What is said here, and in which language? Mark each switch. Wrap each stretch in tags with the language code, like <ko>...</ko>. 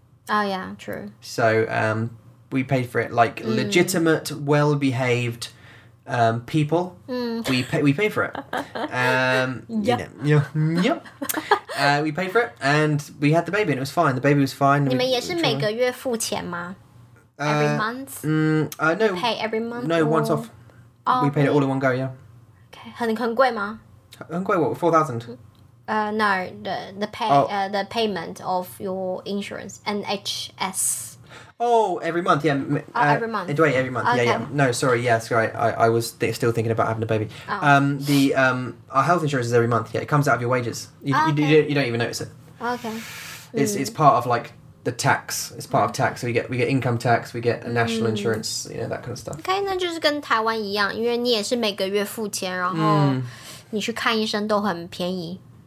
<en>Oh, yeah, true. So, we paid for it like legitimate, well-behaved people. Mm. We pay for it. we paid for it and we had the baby and it was fine. The baby was fine.</en> <zh>你们也是每个月付钱吗?</zh> <en>Every month? No. Pay every month? No, or... once off. Oh, we paid it all in one go, yeah. Okay.</en> <zh>很贵吗? 很贵,</zh> <en>what? $4,000? No, the payment of your insurance, NHS. Oh, every month, yeah. Every month. Okay. Yeah. No, sorry, yes, right. I was still thinking about having a baby. Our health insurance is every month, yeah. It comes out of your wages. You don't even notice it. Okay. It's part of, like, the tax. It's part of tax. So we get income tax, we get a national insurance, you know, that kind of stuff.</en> <zh>Okay, 那就是跟台湾一样，因为你也是每个月付钱，然后你去看医生都很便宜。</zh>